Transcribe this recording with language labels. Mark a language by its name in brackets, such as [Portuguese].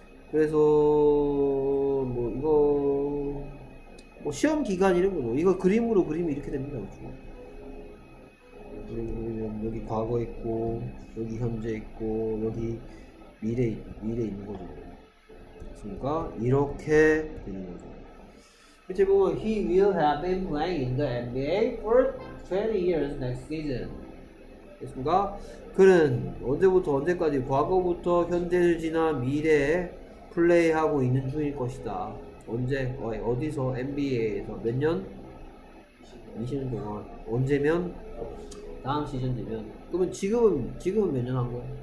[Korean] 그래서 뭐 이거 뭐 시험 기간 이런 거죠. 이거 그림으로 그리면 이렇게 됩니다. 그렇죠? 여기 과거 있고 여기 현재 있고 여기 미래 있는 거죠. 그니까 이렇게 되는 거죠. 이제 뭐 [English] he will have been playing in the NBA for 20 years next season. [Korean] 그니까 그는 언제부터 언제까지 과거부터 현재를 지나 미래에 플레이하고 있는 중일 것이다. 언제 어디서 NBA에서 몇 년? 20년 동안 언제면 다음 시즌 되면 그러면 지금은 몇 년 한 거야?